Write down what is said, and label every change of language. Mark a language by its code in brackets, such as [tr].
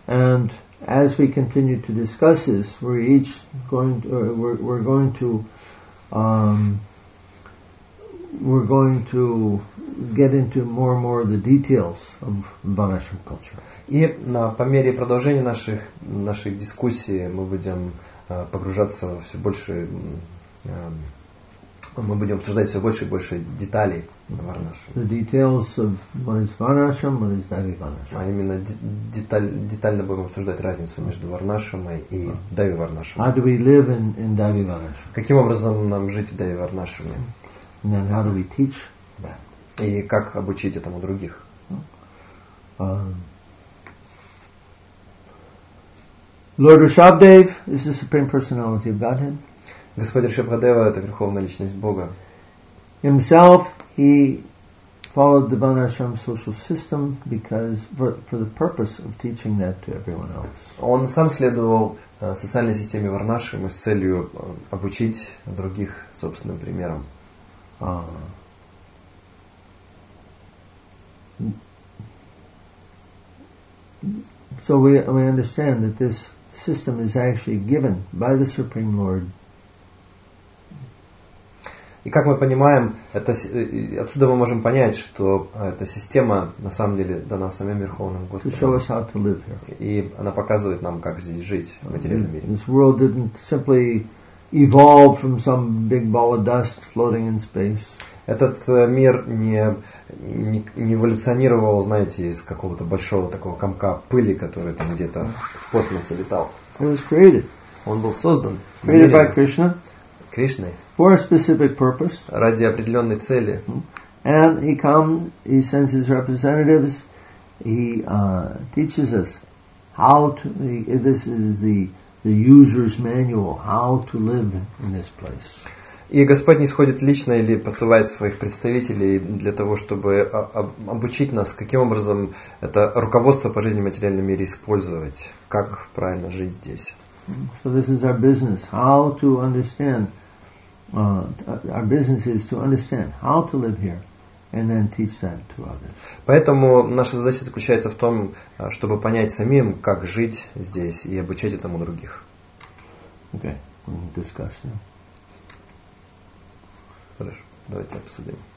[en] And as we continue to discuss this, we're going to get into more and more of the details of Vaishnava culture. [ru] И по мере продолжения наших дискуссий мы будем погружаться во все больше. Мы будем обсуждать все больше и больше деталей Варнашрама. [en] The details of what is Varnashram, what is Dhavi Varnashram. [ru] А именно детально будем обсуждать разницу между Варнашрамой и Дхави Варнашрамой. [en] How do we live in Dhavi Varnashram? [ru] Каким образом нам жить в Дхави Варнашраме? [en] And then how do we teach? [ru] Да. И как обучить этому других? [en] Lord Rishabhdev is the Supreme Personality of Godhead. [ru] Господь Ришабхадева – это верховная личность Бога. [en] Himself, he followed the Vanashram social system because for the purpose of teaching that to everyone else. [ru] Он сам следовал социальной системе Варнашрама с целью обучить других собственным примером. [en] So we understand that this system is actually given by the Supreme Lord. [ru] И как мы понимаем, отсюда мы можем понять, что эта система на самом деле дана самим Верховным Господом. И она показывает нам, как здесь жить, в материальном мире. [en] This world didn't simply evolve from some big ball of dust floating in space. [ru] Этот мир не эволюционировал, знаете, из какого-то большого такого комка пыли, который там где-то в космосе летал. [en] It was created. [ru] Он был создан. [en] Created by Krishna. [ru] Кришной. [en] For a specific purpose. [ru] Ради определенной цели. [en] And he comes, he sends his representatives, he teaches us how to, this is the user's manual, how to live in this place. [ru] И Господь нисходит лично или посылает своих представителей для того, чтобы обучить нас, каким образом это руководство по жизни в материальном мире использовать, как правильно жить здесь. [en] So this is our business, how to understand. Our business is to understand how to live here, and then teach that to others. [ru] Поэтому наша задача заключается в том, чтобы понять самим, как жить здесь и обучать этому других. [en] Okay, we'll discuss now. [ru] Хорошо, давайте обсудим.